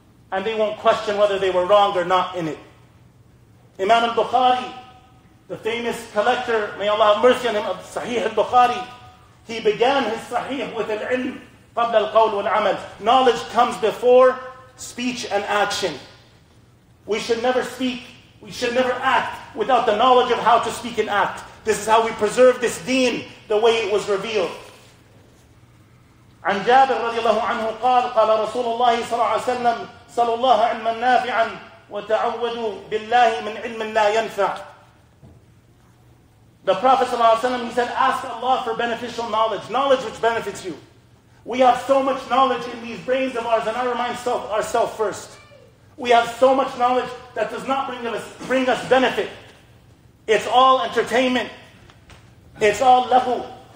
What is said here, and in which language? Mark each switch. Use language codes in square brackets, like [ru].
[en] And they won't question whether they were wrong or not in it." Imam al-Bukhari, the famous collector, may Allah have mercy on him, of Sahih al-Bukhari, he began his Sahih with al-ilm qabla al-qawl wal-amal. Knowledge comes before speech and action. We should never speak, we should never act without the knowledge of how to speak and act. This is how we preserve this deen, the way it was revealed. [ar] عن جابر رضي الله عنه قال قال رسول الله صلى الله عليه وسلم صلى الله علما نافعا وتعوذوا بالله من علم لا ينفع. [en] The Prophet صلى الله عليه وسلم, he said, "Ask Allah for beneficial knowledge, knowledge which benefits you." We have so much knowledge in these brains of ours, and I remind ourselves first. We have so much knowledge that does not bring us benefit. It's all entertainment. It's all lahu.